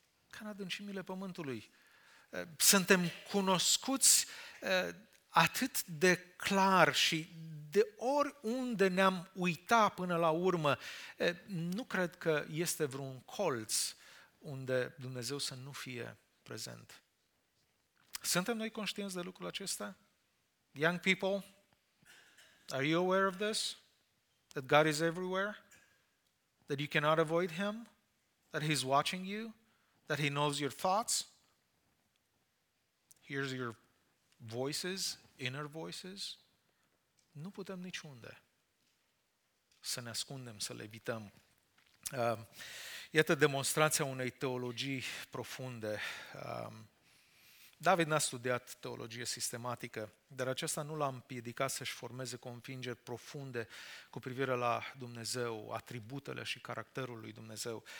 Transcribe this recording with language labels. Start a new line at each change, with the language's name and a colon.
Romanian: Ca în adâncimile pământului. Suntem cunoscuți atât de clar și de oriunde ne-am uitat până la urmă, nu cred că este vreun colț unde Dumnezeu să nu fie prezent. Suntem noi conștienți de lucrul acesta?
English: Young people, are you aware of this? That God is everywhere? That you cannot avoid Him? That He's watching you? That He knows your thoughts? Hears your voices, inner voices?
Romanian: Nu putem niciunde să ne ascundem, să le evităm. Iată demonstrația unei teologii profunde. David n-a studiat teologie sistematică, dar acesta nu l-a împiedicat să-și formeze convingeri profunde cu privire la Dumnezeu, atributele și caracterul lui Dumnezeu.